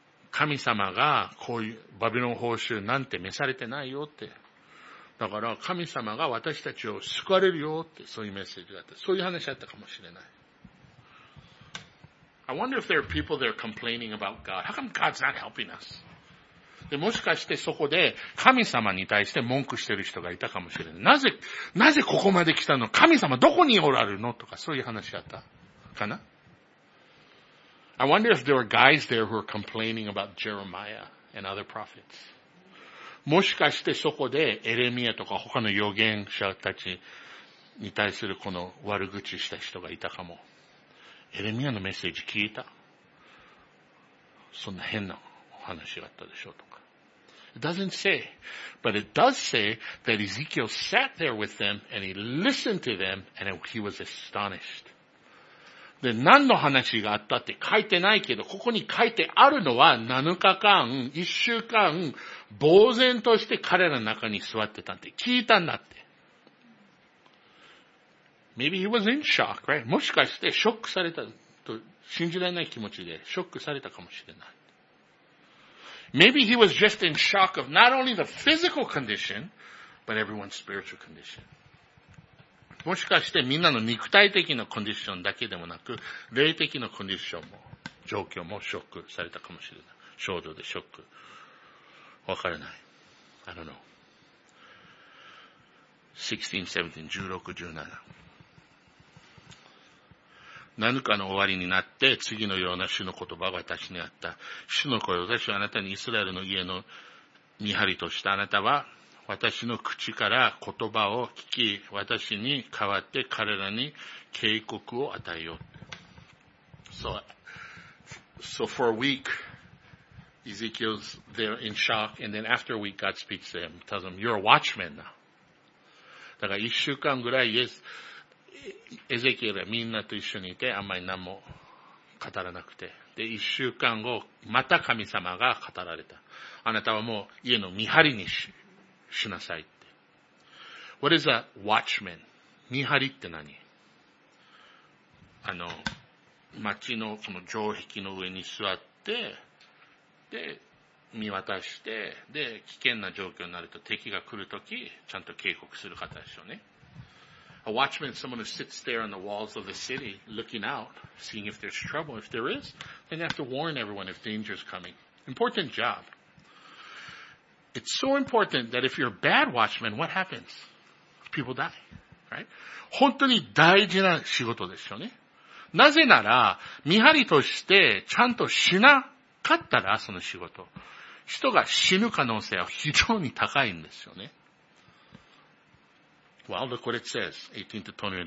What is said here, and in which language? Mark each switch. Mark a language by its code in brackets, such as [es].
[ja] 神様がこういうバビロン報酬なんて召されてないよって。だから神様が私たちを救われるよってそういうメッセージだった。そういう話だったかもしれない。 [en] I wonder if there are people that are complaining about God. How come God's not helping us? [ja] で、もしかしてそこで神様に対して文句してる人がいたかもしれない。なぜここまで来たの？神様どこにおられるの？とか、そういう話だったかな。 [en] I wonder if there were guys there who were complaining about Jeremiah and other prophets. [ja] もしかしてそこでエレミアとか他の預言者たちに対するこの悪口した人がいたかも。エレミアのメッセージ聞いた？そんな変なお話があったでしょうとか。 [en] It doesn't say, but it does say that Ezekiel sat there with them and he listened to them and he was astonished. [ja] で、何の話があったって書いてないけど、ここに書いてあるのは7日間、1週間、呆然として彼らの中に座ってたって聞いたんだって。 [en] Maybe he was in shock, right? [ja] もしかしてショックされたと信じられない気持ちでショックされたかもしれない。 [en] Maybe he was just in shock of not only the physical condition, but everyone's spiritual condition. [ja] もしかしてみんなの肉体的なコンディションだけでもなく、霊的なコンディションも、状況もショックされたかもしれない。症状でショック。わからない。 [en] I don't know. [ja] 16, 17, 16, 17。何かの終わりになって、次のような主の言葉が私にあった。主の声、私はあなたにイスラエルの家の見張りとした。あなたは私の口から言葉を聞き、私に代わって彼らに警告を与えよう。 [en] So for a week, Ezekiel's there in shock, and then after a week, God speaks to him, tells him, you're a watchman now. [ja] だから一週間ぐらい、イエス、エゼキエルはみんなと一緒にいてあんまり何も語らなくて。で、一週間後、また神様が語られた。あなたはもう家の見張りに しなさいって。 [en] What is a watchman? [ja] 見張りって何？街のこの城壁の上に座って、で、見渡して、で、危険な状況になると敵が来るとき、ちゃんと警告する方でしょうね。 [en] A watchman is someone who sits there on the walls of the city, looking out, seeing if there's trouble. If there is, then you have to warn everyone if danger is coming. Important job. It's so important that if you're a bad watchman, what happens? People die, right? [ja] 本当に大事な仕事ですよね。なぜなら、見張りとしてちゃんとしなかったら、その仕事。人が死ぬ可能性は非常に高いんですよね。 [en] Well, look what it says, 18 to 20.